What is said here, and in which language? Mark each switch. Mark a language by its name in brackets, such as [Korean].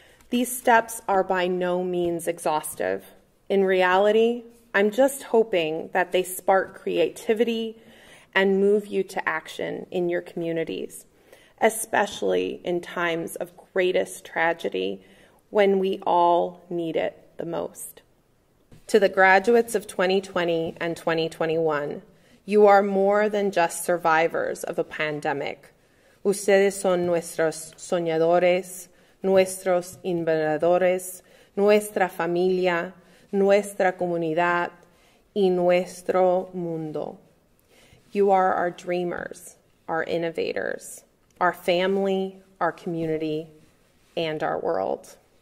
[English] These steps are by no means exhaustive. In reality, I'm just hoping that they spark creativity and move you to action in your communities, especially in times of greatest tragedy when we all need it the most. To the graduates of 2020 and 2021, you are more than just survivors of a pandemic. [Spanish] Ustedes son nuestros soñadores, nuestros innovadores, nuestra familia, nuestra comunidad, y nuestro mundo. [English] You are our dreamers, our innovators, our family, our community, and our world.